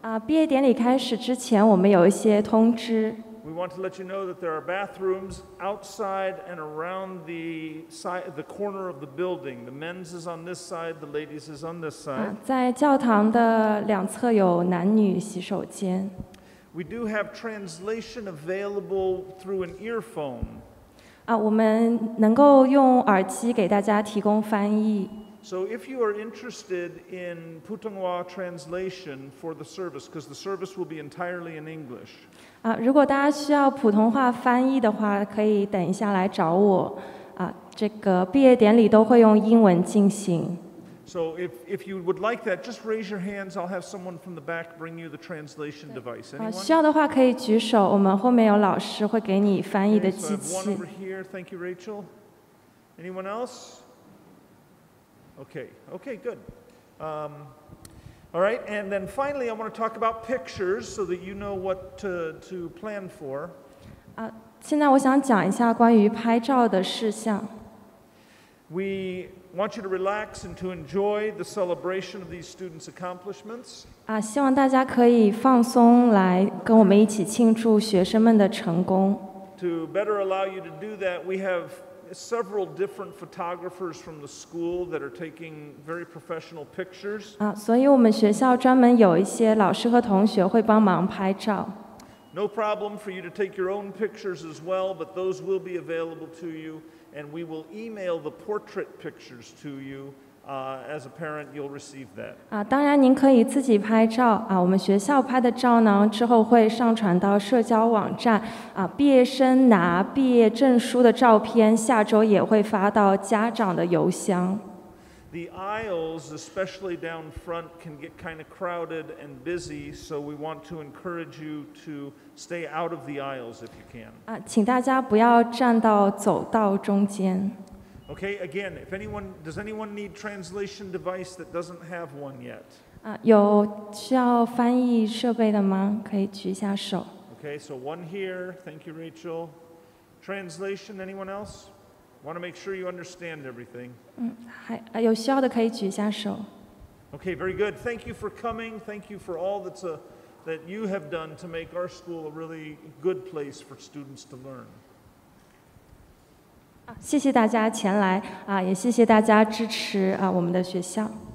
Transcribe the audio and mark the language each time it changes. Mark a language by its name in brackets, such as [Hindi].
[Chinese] 毕业典礼开始之前，我们有一些通知。 [English] We want to let you know that there are bathrooms outside and around the side, the corner of the building. The men's is on this side, the ladies is on this side. [Chinese] 在教堂的两侧有男女洗手间。 [English] We do have translation available through an earphone. [Chinese] 我们能够用耳机给大家提供翻译。 [English] So if you are interested in Putonghua translation for the service, because the service will be entirely in English. [Chinese] 如果大家需要普通话翻译的话，可以等一下来找我。这个毕业典礼都会用英文进行。 [English] So if you would like that, just raise your hands. I'll have someone from the back bring you the translation device. Anyone? [Chinese] 需要的话可以举手，我们后面有老师会给你翻译的机器。 [English] Okay, so I have one over here. Thank you, Rachel. Anyone else? Okay, good. All right, and then finally, I want to talk about pictures so that you know what to plan for. [Chinese] 现在我想讲一下关于拍照的事项。 [English] We want you to relax and to enjoy the celebration of these students' accomplishments. [Chinese] 希望大家可以放松来跟我们一起庆祝学生们的成功。 [English] To better allow you to do that, we have... several different photographers from the school that are taking very professional pictures. [Chinese] 所以我们学校专门有一些老师和同学会帮忙拍照。 [English] No problem for you to take your own pictures as well, but those will be available to you, and we will email the portrait pictures to you. As a parent, you'll receive that. [Chinese] 当然您可以自己拍照。我们学校拍的照呢，之后会上传到社交网站。毕业生拿毕业证书的照片，下周也会发到家长的邮箱。 [English] The aisles, especially down front, can get kind of crowded and busy, so we want to encourage you to stay out of the aisles if you can. [Chinese] 请大家不要站到走道中间。 [English] Okay, again, if anyone, does anyone need translation device that doesn't have one yet? [Chinese] 有需要翻译设备的吗？可以举一下手。 [English] Okay, so one here. Thank you, Rachel. Translation, anyone else? Want to make sure you understand everything. [Chinese] 有需要的可以举一下手。 [English] Okay, very good. Thank you for coming. Thank you for all that you have done to make our school a really good place for students to learn. [Chinese] 谢谢大家前来，也谢谢大家支持，我们的学校。